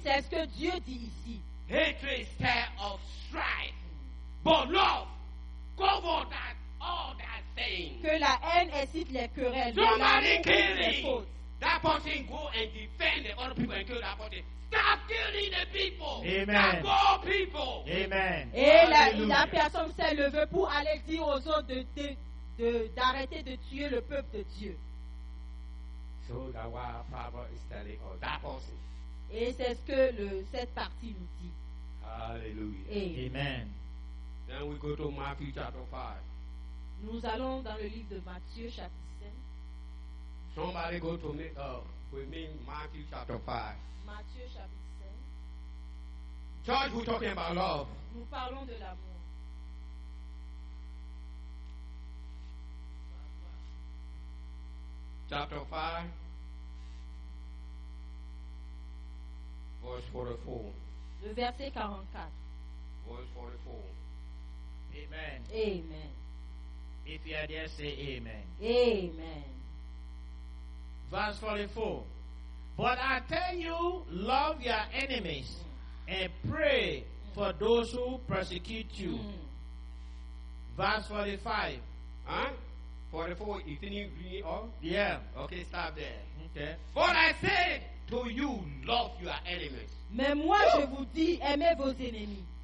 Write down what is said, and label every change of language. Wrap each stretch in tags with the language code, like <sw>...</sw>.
<fr>C'est ce que Dieu dit ici.</fr> <en>Hatred is tear of strife. But love. Cover that.</en> <fr>Que la haine incite les querelles.</fr> <en>Somebody killing. That person go and defend the other people and kill that person. Stop killing the people. Amen. That poor people. Amen.</en> <fr>Et la personne s'est levée pour aller dire aux autres d'arrêter de tuer le peuple de Dieu.</fr> <en>So that our father is telling us that person.</en> <fr>Et c'est ce que cette partie nous dit.</fr> <en>Hallelujah. Amen. Then we go to Matthew chapter 5.</en> <fr>Nous allons dans le livre de Matthieu, chapitre 5.</fr> <en>Somebody go to me, with me, Matthew, chapter 5.</en> <fr>Matthieu, chapitre 5.</fr> <en>Church, we're talking about love.</en> <fr>Nous parlons de l'amour.</fr> <en>Chapter 5. Verse 44.</en> <fr>Le verset 44.</fr> <en>Verse 44. Amen. Amen. If you are there, say amen. Amen. Verse 44. But I tell you, love your enemies and pray for those who persecute you. Verse 45. Huh? 44, you didn't bring it all? Yeah. Okay, stop there. Okay. For I say to you, love your enemies.</en> <fr>Mais moi, je vous dis, aimez vos ennemis.</fr>